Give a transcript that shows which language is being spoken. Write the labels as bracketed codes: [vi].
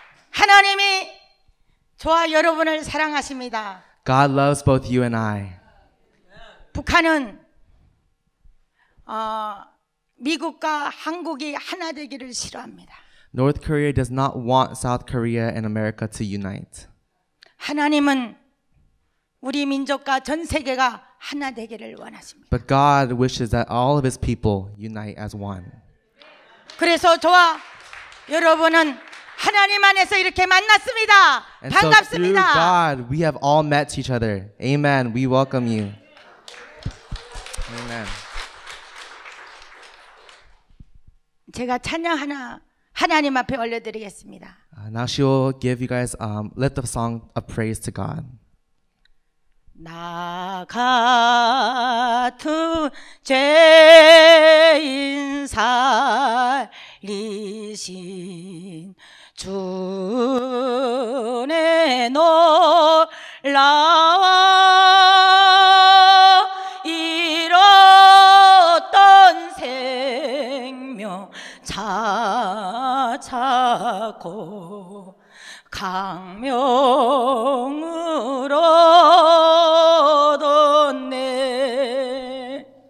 [ko] 하나님이 저와 여러분을 사랑하십니다. [en] God loves both you and I. [ko] 북한은 미국과 한국이 하나 되기를 싫어합니다. [en] North Korea does not want South Korea and America to unite. [ko] 하나님은 우리 민족과 전 세계가 하나 되기를 원하십니다. [en] But God wishes that all of his people unite as one. [ko] 그래서 저와 여러분은 하나님 안에서 이렇게 만났습니다. 반갑습니다. [en] And so through God, we have all met each other. Amen. We welcome you. Amen. [ko] 제가 찬양 하나 하나님 앞에 올려드리겠습니다. [en] Now she will give you guys let the song a praise to God. [ko] 나 같은 죄인 살리신 주네 놀라와 잃었던 생명 찾고 강명을 얻었네